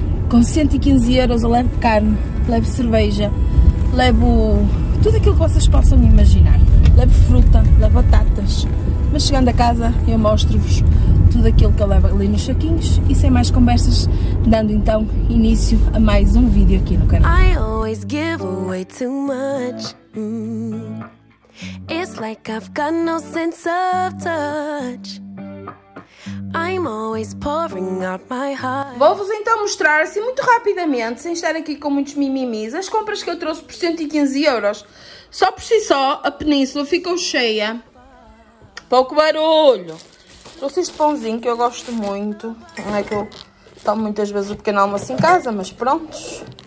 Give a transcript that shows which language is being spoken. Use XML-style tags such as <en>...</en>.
<pt>Com 115€ eu levo carne, levo cerveja, levo tudo aquilo que vocês possam imaginar. Levo fruta, levo batatas, mas chegando a casa eu mostro-vos tudo aquilo que eu levo ali nos saquinhos e sem mais conversas, dando então início a mais um vídeo aqui no canal.</pt> <en>I always give away too much. It's like I've got no sense of touch. I'm always pouring out my heart.</en> <pt>Vou-vos então mostrar assim muito rapidamente, sem estar aqui com muitos mimimis, as compras que eu trouxe por 115€. Só por si só, a península ficou cheia. Pouco barulho. Trouxe este pãozinho que eu gosto muito. Não é que eu tomo muitas vezes o pequeno almoço em casa, mas prontos.</pt>